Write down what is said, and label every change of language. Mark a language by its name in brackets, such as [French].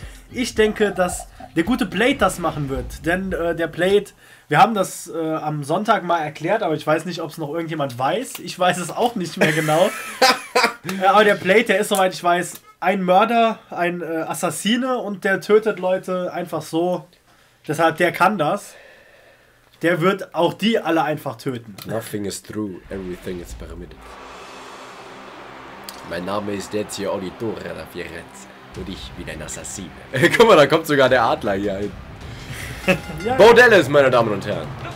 [German] Ich denke, dass der gute Blade das machen wird. Denn der Blade, wir haben das am Sonntag mal erklärt, aber ich weiß nicht, ob es noch irgendjemand weiß. Ich weiß es auch nicht mehr genau. aber der Blade, der ist, soweit ich weiß, ein Mörder, ein Assassine und der tötet Leute einfach so. Deshalb, der kann das. Der wird auch die alle einfach töten. [English] Nothing is true, everything is permitted. [German] Mein Name ist Ezio Auditore da Firenze und ich bin ein Assassin. Guck mal, da kommt sogar der Adler hier ein. Ja. Bo Dallas, meine Damen und Herren.